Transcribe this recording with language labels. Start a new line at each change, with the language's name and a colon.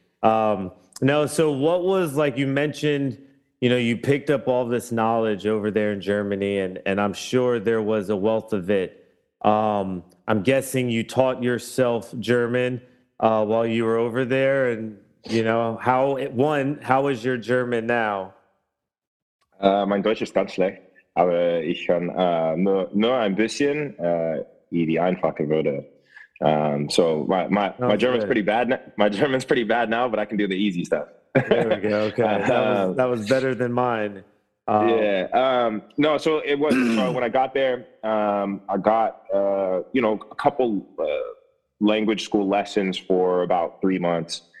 English: So what was, like you mentioned, you know, you picked up all this knowledge over there in Germany, and I'm sure there was a wealth of it. I'm guessing you taught yourself German while you were over there. And, you know, how is your German now?
German: Mein Deutsch ist ganz schlecht, aber ich kann nur ein bisschen die einfache Wörter.
English: So my German's pretty bad. My German's pretty bad now, but I can do the easy stuff. There we go. Okay. That was better than mine. When I got there, I got, you know, a couple language school lessons for about 3 months.